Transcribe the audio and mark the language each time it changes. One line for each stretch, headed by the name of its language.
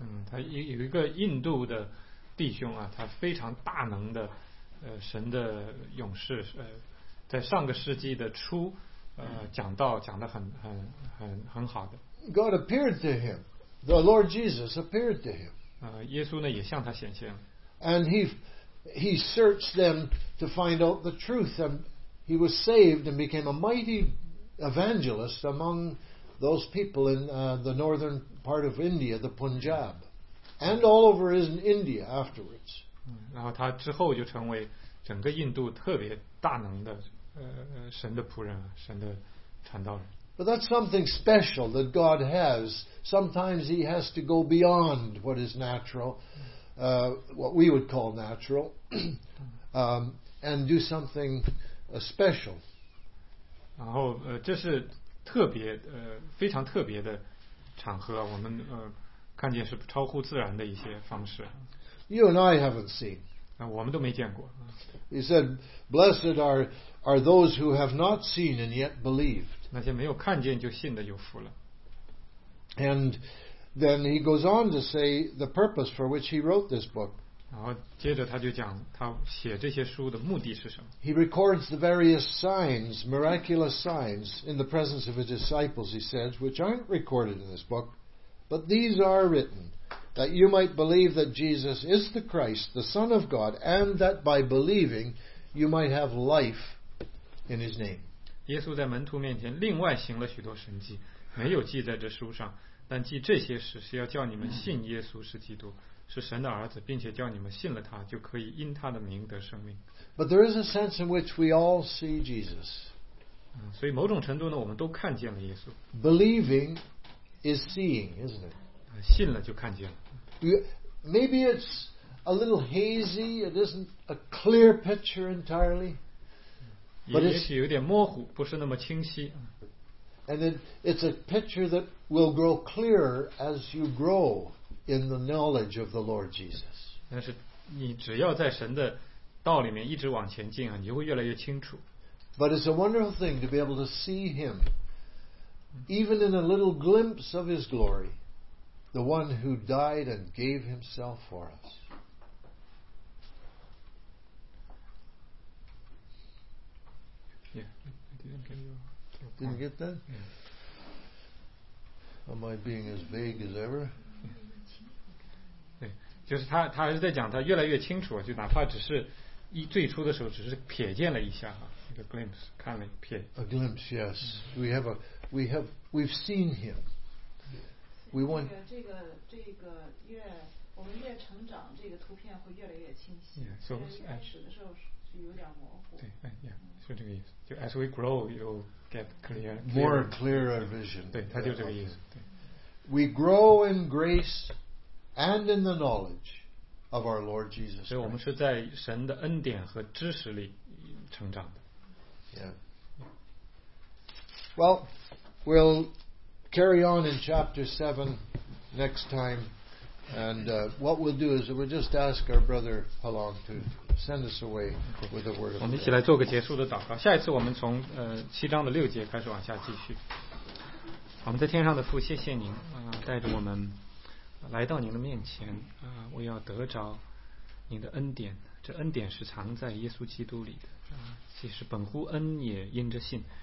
Chinese: 他有一个印度的弟兄啊，他非常大能的神的勇士，在上个世纪的初讲道讲得很好的。
English: God appeared to him. The Lord Jesus appeared to him.
Chinese: 耶稣呢也向他显现了。
English: And he searched them to find out the truth, and he was saved and became a mighty evangelist among those people in the northern part of India, the Punjab, and all over India afterwards.
Chinese: 然后他之后就成为整个印度特别大能的神的仆人，神的传道人。
English: But that's something special that God has. Sometimes he has to go beyond what is natural, what we would call natural, and do something special.
Chinese: 然后这是特别非常特别的场合，我们看见是超乎自然的一些方式。
English: You and I haven't seen.
Chinese: 我们都没见过。
English: He said, "Blessed are those who have not seen and yet believe."
Chinese: 那些没有看见就信的有福了。
English: And then he goes on to say the purpose for which he wrote this book.
Chinese: 然后接着他就讲他写这些书的目的是什么。
English: He records the various signs, miraculous signs, in the presence of his disciples, he says, which aren't recorded in this book, but these are written, that you might believe that Jesus is the Christ, the Son of God, and that by believing you might have life in his name.
Chinese: 耶稣在门徒面前另外行了许多神迹，没有记在这书上，但记这些事是要叫你们信耶稣是基督，是神的儿子，并且叫你们信了他就可以因他的名得生命。
English: But there is a sense in which we all see Jesus.
Chinese: 所以某种程度呢，我们都看见了耶稣。
English: Believing is seeing, isn't it?
Chinese: 信了就看见了。
English: Maybe it's a little hazy, it isn't a clear picture entirely.
Chinese: 也许有点模糊，不是那么清晰。
English: And it's a picture that will grow clearer as you grow in the knowledge of the Lord Jesus.
Chinese: 但是你只要在神的道里面一直往前进啊，你就会越来越清楚。
English: But it's a wonderful thing to be able to see Him, even in a little glimpse of His glory, the One who died and gave Himself for us. Didn't get that? Am I being as vague as ever?
Chinese: 对，就是他还是在讲，他越来越清楚，就哪怕只是最初的时候，只是瞥见了一下哈，一个 glimpse， 看了瞥。
English: A glimpse, yes. We've seen him. We want.
Chinese: 这个越我们越成长，这个图片会越来越清晰。
English: Yeah, so
Chinese: 开始的时候是有点模糊。对，yeah, 就这个意思。
English: 就 as we grow, you'll. Get clear, more clearer vision.
Chinese: 对，他就这个意思。
English: We grow in grace and in the knowledge of our Lord Jesus.
Chinese: 所以我们是在神的恩典和知识里成长的。
English: Yeah. Well, we'll carry on in chapter 7 next time, and what we'll do is we'll just ask our brother Halong to. Send us away with the word of God.
Chinese: 我们一起来做个结束的祷告。下一次我们从七章的六节开始往下继续。我们在天上的父，谢谢您带着我们来到您的面前我要得着您的恩典。这恩典是藏在耶稣基督里的其实本乎恩也因着信。